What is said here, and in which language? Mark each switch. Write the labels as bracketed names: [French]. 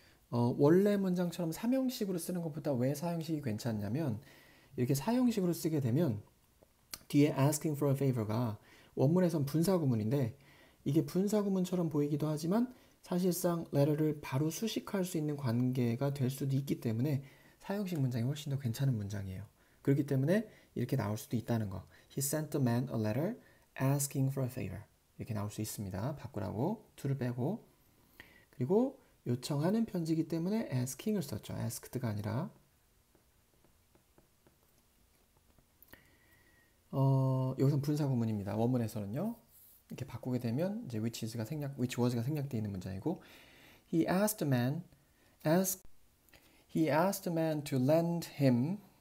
[Korean] 원래 문장처럼 삼형식으로 쓰는 것보다 왜 사형식이 괜찮냐면 이렇게 사형식으로 쓰게 되면 뒤에 [English] asking for a favor [Korean] 가 원문에선 분사구문인데 이게 분사구문처럼 보이기도 하지만 사실상 letter를 바로 수식할 수 있는 관계가 될 수도 있기 때문에 사형식 문장이 훨씬 더 괜찮은 문장이에요. 그렇기 때문에 이렇게 나올 수도 있다는 거. [English] He sent the man a letter asking for a favor. [Korean] 이렇게 나올 수 있습니다. 바꾸라고 to를 빼고 그리고 요청하는 편지이기 때문에 asking을 썼죠. asked가 아니라. 여기서는 분사구문입니다. 원문에서는요. 이렇게 바꾸게 되면 이제 [English] which was [Korean] 가 생략되어 있는 문장이고 [English] he asked a man to lend him.